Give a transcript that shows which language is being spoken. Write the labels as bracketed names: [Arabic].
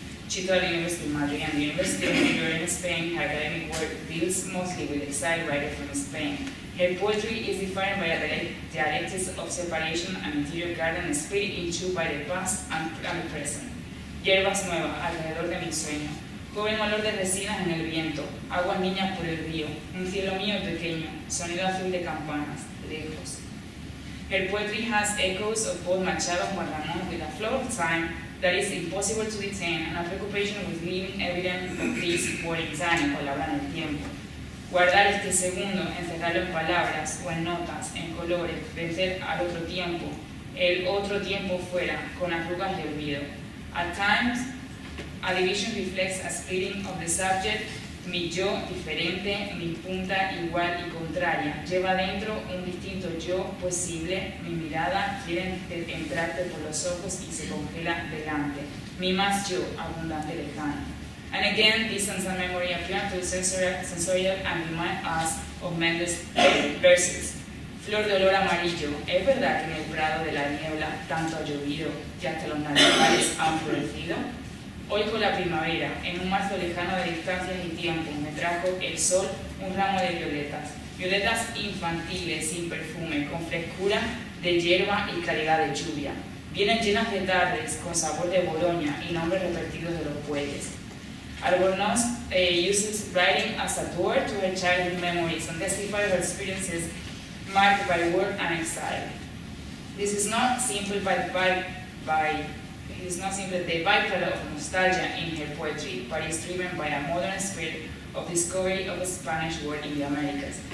[English] She taught at the University of Madrid and the University of New York in Spain. Her academic work deals mostly with exiled writers from Spain. Her poetry is defined by a dialectics of separation and interior garden split in two by the past and the present. [Spanish] Hierbas nuevas, alrededor de mi sueño. Joven olor de resinas en el viento, aguas niñas por el río, un cielo mío pequeño, sonido azul de campanas, lejos. [English] Her poetry has echoes of both Machado and Juan Ramón with a flow of time that is impossible to detain and a preoccupation with leaving evidence of this war in time, [Spanish] palabra en el tiempo. Guardar este segundo, encerrarlo en palabras o en notas, en colores, vencer al otro tiempo, el otro tiempo fuera, con arrugas de olvido. [English] At times, a division reflects a splitting of the subject, [Spanish] mi yo diferente, mi punta igual y contraria. Lleva dentro un distinto yo posible, mi mirada quiere entrarte por los ojos y se congela delante. Mi más yo, abundante lejano. [English] And again, distance and memory appear to the sensorial and remind us of Mendes' verses. [Spanish] Flor de olor amarillo, ¿es verdad que en el prado de la niebla tanto ha llovido que hasta los naranjales han florecido? Hoy con la primavera, en un marzo lejano de distancias y tiempo, me trajo el sol un ramo de violetas. Violetas infantiles, sin perfume, con frescura de hierba y calidad de lluvia. Vienen llenas de tardes, con sabor de Boloña y nombres repetidos de los bueyes. [English] Albornoz uses writing as a door to her childhood memories and testify her experiences marked by war and exile. This is not simple by It is not simply the byproduct of nostalgia in her poetry, but is driven by a modern spirit of discovery of the Spanish world in the Americas.